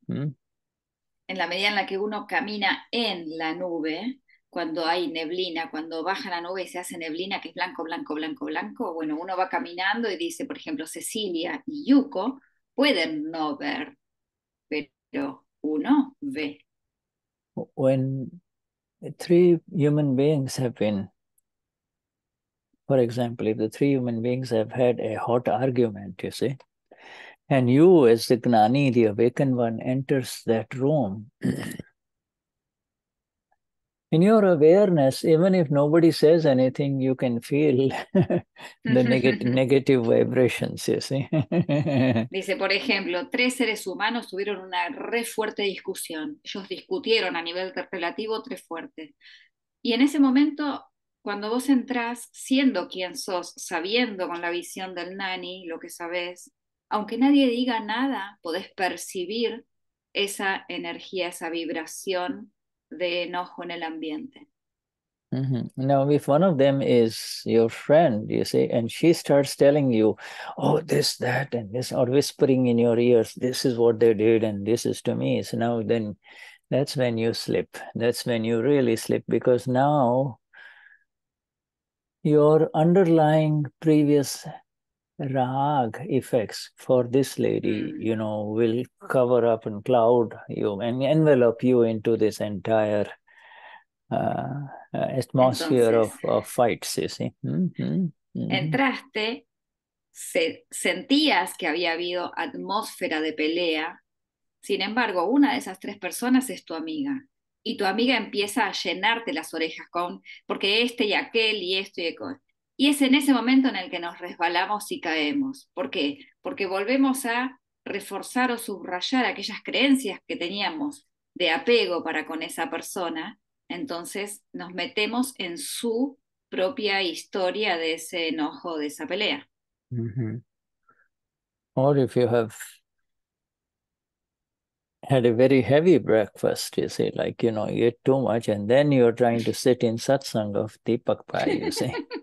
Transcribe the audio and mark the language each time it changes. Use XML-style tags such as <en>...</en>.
<es>En la medida en la que uno camina en la nube, cuando hay neblina, cuando baja la nube y se hace neblina, que es blanco, blanco, blanco, blanco, bueno, uno va caminando y dice, por ejemplo, Cecilia y Yuko pueden no ver, pero uno ve.</es> <en>When three human beings have been, for example, if the three human beings have had a hot argument, you see, and you as the Gnani, the awakened one, enters that room, in your awareness, even if nobody says anything, you can feel the negative vibrations, you see.</en> <es>Dice, por ejemplo, tres seres humanos tuvieron una re fuerte discusión. Ellos discutieron a nivel relativo tres fuertes. Y en ese momento, cuando vos entrás, siendo quien sos, sabiendo con la visión del Nani lo que sabés, aunque nadie diga nada, podés percibir esa energía, esa vibración de enojo en el ambiente.</es> <en>Now, if one of them is your friend, you see, and she starts telling you, oh, this, that, and this, or whispering in your ears, this is what they did, and this is to me. So now then, that's when you slip. That's when you really slip, because now your underlying previous rag effects for this lady, you know, will cover up and cloud you and envelop you into this entire atmosphere.</en> <es>Entonces,</es> <en>of fights, you see.</en> <es>Entraste, sentías que había habido atmósfera de pelea, sin embargo, una de esas tres personas es tu amiga. Y tu amiga empieza a llenarte las orejas con, porque este y aquel y esto y aquel. Y es en ese momento en el que nos resbalamos y caemos. ¿Por qué? Porque volvemos a reforzar o subrayar aquellas creencias que teníamos de apego para con esa persona. Entonces nos metemos en su propia historia de ese enojo, de esa pelea. Mm-hmm.</es> <en>Or if you have had a very heavy breakfast, you see, like, you know, you eat too much and then you're trying to sit in satsang of Deepak Pai, you see.</en>